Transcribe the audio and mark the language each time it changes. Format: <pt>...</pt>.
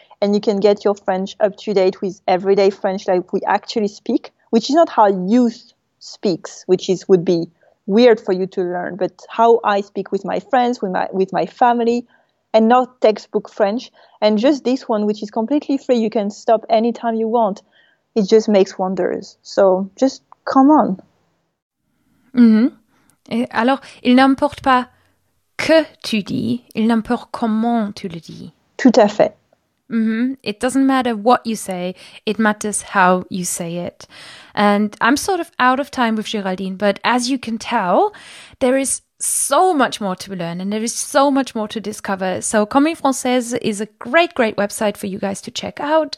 <en>And you can get your French up to date with everyday French like we actually speak, which is not how youth speaks, which is would be weird for you to learn, but how I speak with my friends, with my family, and not textbook French. And just this one, which is completely free, you can stop anytime you want. It just makes wonders. So just come on.</en> <fr>Alors, il n'importe pas que tu dis, il n'importe comment tu le dis. Tout à fait.</fr> <en>It doesn't matter what you say, it matters how you say it. And I'm sort of out of time with Geraldine, but as you can tell, there is so much more to learn and there is so much more to discover. So Comme Française is a great, great website for you guys to check out.</en>